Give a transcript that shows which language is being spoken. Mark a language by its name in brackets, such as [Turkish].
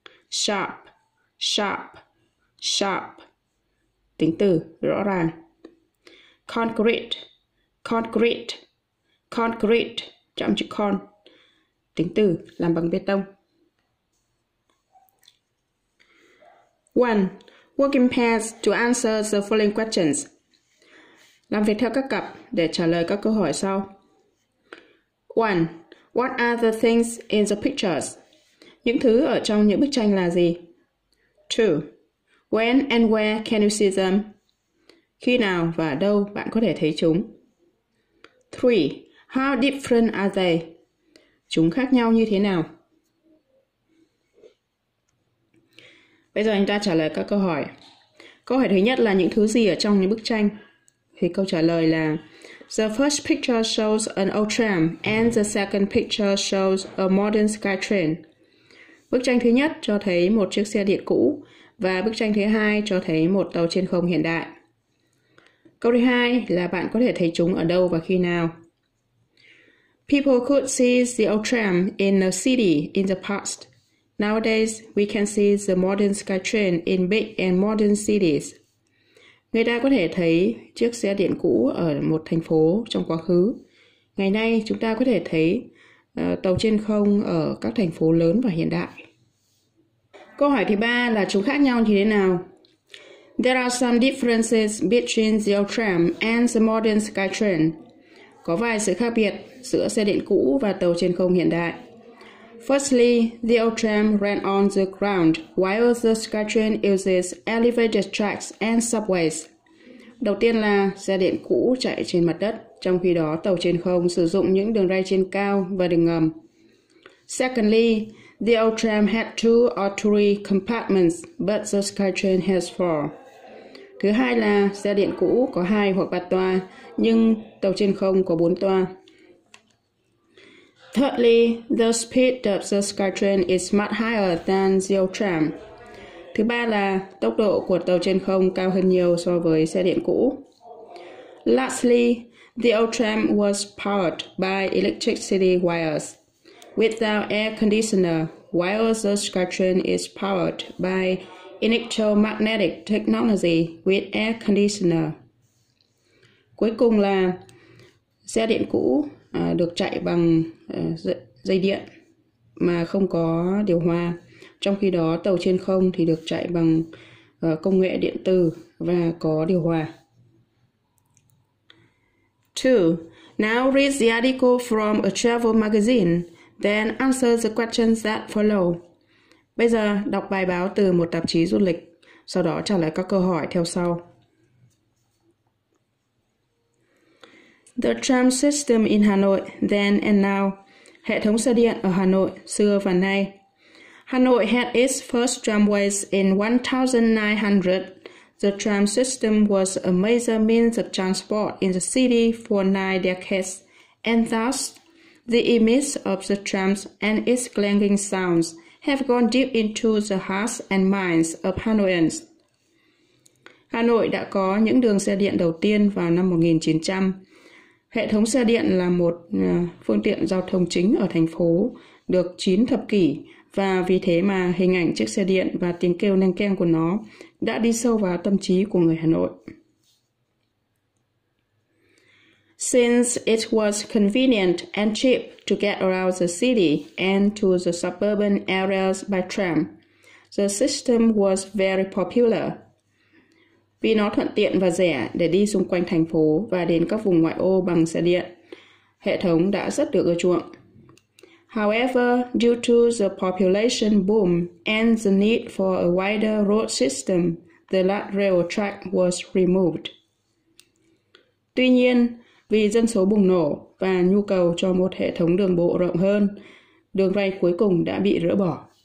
[English] Sharp, sharp, sharp, [Vietnamese] tính từ, rõ ràng. [English] Concrete, concrete, concrete, [Vietnamese] trọng chữ con, tính từ, làm bằng bê tông. [English] One, work in pairs to answer the following questions. [Vietnamese] Làm việc theo các cặp để trả lời các câu hỏi sau. 1. [English] What are the things in the pictures? [Vietnamese] Những thứ ở trong những bức tranh là gì? 2. [English] When and where can you see them? [Vietnamese] Khi nào và đâu bạn có thể thấy chúng? 3. [English] How different are they? [Vietnamese] Chúng khác nhau như thế nào? Bây giờ anh ta trả lời các câu hỏi. Câu hỏi thứ nhất là những thứ gì ở trong những bức tranh? Thì câu trả lời là [English] The first picture shows an old tram and the second picture shows a modern sky train. [Vietnamese] Bức tranh thứ nhất cho thấy một chiếc xe điện cũ và bức tranh thứ hai cho thấy một tàu trên không hiện đại. Câu thứ hai là bạn có thể thấy chúng ở đâu và khi nào? [English] People could see the old tram in a city in the past. Nowadays, we can see the modern sky train in big and modern cities. [Vietnamese] Người ta có thể thấy chiếc xe điện cũ ở một thành phố trong quá khứ. Ngày nay, chúng ta có thể thấy tàu trên không ở các thành phố lớn và hiện đại. Câu hỏi thứ ba là chúng khác nhau như thế nào? [English] There are some differences between the old tram and the modern sky train. [Vietnamese] Có vài sự khác biệt giữa xe điện cũ và tàu trên không hiện đại. [English] Firstly, the old tram ran on the ground, while the SkyTrain uses elevated tracks and subways. [Vietnamese] Đầu tiên là xe điện cũ chạy trên mặt đất, trong khi đó tàu trên không sử dụng những đường ray trên cao và đường ngầm. [English] Secondly, the old tram had two or three compartments, but the SkyTrain has four. [Vietnamese] Thứ hai là xe điện cũ có hai hoặc ba toa, nhưng tàu trên không có bốn toa. [English] Thirdly, the speed of the SkyTrain is much higher than the old tram. [Vietnamese] Thứ ba là tốc độ của tàu trên không cao hơn nhiều so với xe điện cũ. [English] Lastly, the old tram was powered by electricity wires without air conditioner, while the SkyTrain is powered by electromagnetic technology with air conditioner. [Vietnamese] Cuối cùng là xe điện cũ được chạy bằng dây điện mà không có điều hòa, trong khi đó tàu trên không thì được chạy bằng công nghệ điện tử và có điều hòa. 2. [English] Now read the article from a travel magazine, then answer the questions that follow. [Vietnamese] Bây giờ đọc bài báo từ một tạp chí du lịch, sau đó trả lời các câu hỏi theo sau. [English] The tram system in Hà Nội, then and now. [Vietnamese] Hệ thống xe điện ở Hà Nội, xưa và nay. [English] Hà Nội had its first tramways in 1900. The tram system was a major means of transport in the city for nine decades, and thus, the image of the trams and its clanging sounds have gone deep into the hearts and minds of Hanoians. [Vietnamese] Hà Nội đã có những đường xe điện đầu tiên vào năm 1900. Hệ thống xe điện là một phương tiện giao thông chính ở thành phố được 9 thập kỷ, và vì thế mà hình ảnh chiếc xe điện và tiếng kêu leng keng của nó đã đi sâu vào tâm trí của người Hà Nội. [English] Since it was convenient and cheap to get around the city and to the suburban areas by tram, the system was very popular. [Vietnamese] Vì nó thuận tiện và rẻ để đi xung quanh thành phố và đến các vùng ngoại ô bằng xe điện, hệ thống đã rất được ưa chuộng. [English] However, due to the population boom and the need for a wider road system, the light rail track was removed. [Vietnamese] Tuy nhiên, vì dân số bùng nổ và nhu cầu cho một hệ thống đường bộ rộng hơn, đường ray cuối cùng đã bị rỡ bỏ.